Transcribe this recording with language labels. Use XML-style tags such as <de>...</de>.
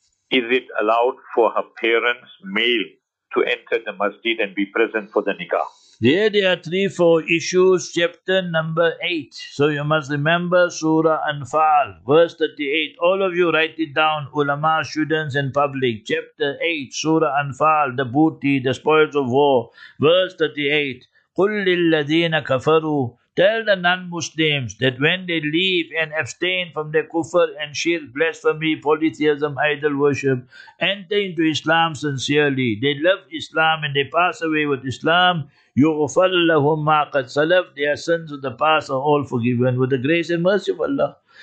<en>Is it allowed for her parents, male, to enter the masjid and be present for the nikah? There are 3-4 issues, chapter number 8. So you must remember Surah Anfal, verse 38. All of you write it down, ulama, students and public. Chapter 8, Surah Anfal, the booty, the spoils of war. Verse 38,</en> <ar>قُلْ لِلَّذِينَ كَفَرُوا.</ar> <en>Tell the non-Muslims that when they leave and abstain from their kufr and shirk, blasphemy, polytheism, idol worship, enter into Islam sincerely, they love Islam and they pass away with Islam,</en> <ar>يُغْفَرْ لَهُمْ مَا قَدْ سَلَفْ,</ar> <en>their sins of the past are all forgiven with the grace and mercy of Allah.</en>